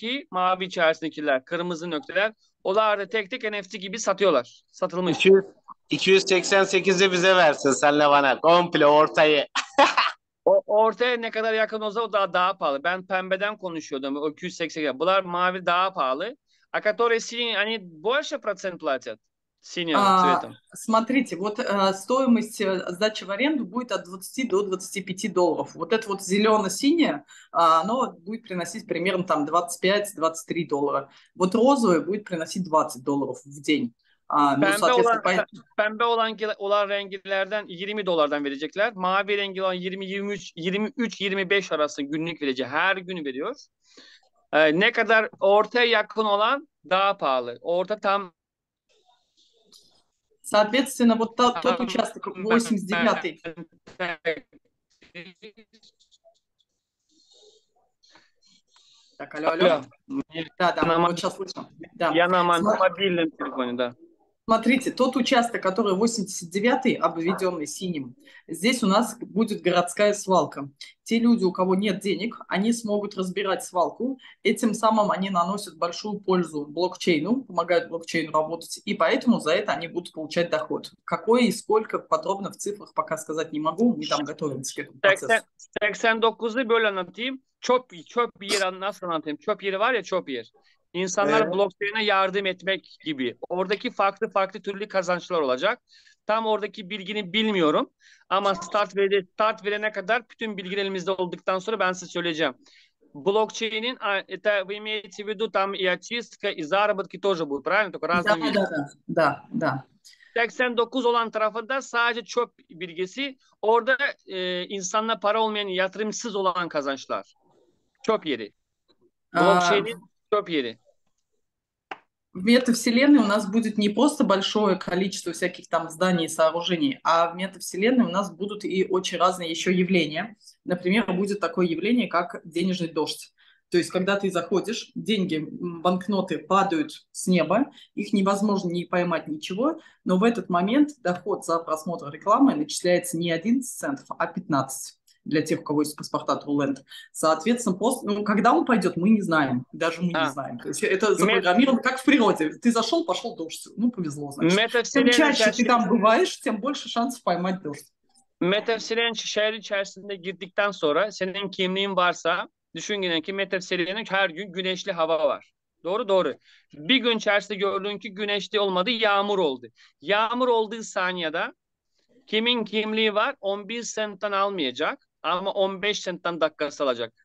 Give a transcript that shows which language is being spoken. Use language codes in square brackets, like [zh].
[tr] Mavi içerisindekiler, kırmızı noktalar. Onlar da tek tek NFT gibi satıyorlar. Satılmış. 288'i bize versin senle bana. Komple ortayı. Ortaya ne kadar yakın olsa o daha pahalı. Ben pembeden konuşuyordum. O 288. Bunlar mavi daha pahalı. [ru] А которые синие, они больше процент платят синим цветом. Смотрите, вот стоимость сдачи в аренду будет от 20 до 25 долларов. Вот это вот зелено-синее, оно будет приносить примерно там 25-23 доллара. Вот розовое будет приносить 20 долларов в день. Ну, соответственно, поэтому... [tr] Pembe olan rengilerden 20 dolardan verecekler. Mavi rengi olan 23-25 arası günlük verecek. Her gün veriyor. Ne kadar ortaya yakın olan daha pahalı. Orta tam [ru] Соответственно, вот тот участок 89-й. Так, алло, алло. Алло. Да, вот сейчас слышно. Да. Я на мобильном телефоне, да. Смотрите, тот участок, который 89-й, обведенный синим, здесь у нас будет городская свалка. Те люди, у кого нет денег, они смогут разбирать свалку. Этим самым они наносят большую пользу блокчейну, помогают блокчейну работать, и поэтому за это они будут получать доход. Какой и сколько, подробно в цифрах пока сказать не могу, мы там готовимся к этому процессу. [tr] 89'ı böyle anlatayım. Çöp yeri nasıl anlatayım? Çöp yeri var ya çöp yer. İnsanlar Evet. blockchain'e yardım etmek gibi. Oradaki farklı farklı türlü kazançlar olacak. Tam oradaki bilgini bilmiyorum. Ama start verene kadar bütün bilgiler elimizde olduktan sonra ben size söyleyeceğim. [ru] Blockchain'in это вы имеете в виду там и очистка, и заработки тоже будут, правильно? Только Да, разные виды. да, да, да, да. [tr] 89 olan tarafında sadece çöp bilgisi. Orada insanla para olmayan, yatırımsız olan kazançlar. Çöp yeri. Blockchain'in çöp yeri. [ru] В метавселенной у нас будет не просто большое количество всяких там зданий и сооружений, а в метавселенной у нас будут и очень разные еще явления. Например, будет такое явление, как денежный дождь. То есть, когда ты заходишь, деньги, банкноты падают с неба, их невозможно не поймать ничего, но в этот момент доход за просмотр рекламы начисляется не 11 центов, а 15 для тех, у кого есть паспорта Труленд. Соответственно, после, ну, когда он пойдет, мы не знаем. Даже мы не знаем. То есть это запрограммировано как в природе. Ты зашел, пошел дождь. Ну, повезло, значит. Чем чаще ты там бываешь, тем больше шансов поймать дождь. [tr] Metaverse'in şehir içerisinde girdikten sonra senin kimliğin varsa düşün yine ki Metaverse'in her gün güneşli hava var. Doğru doğru. Bir gün içerisinde gördün ki güneşli olmadı, yağmur oldu. Yağmur olduğu saniyede kimin kimliği var 11 centten almayacak ama 15 centten dakikası alacak.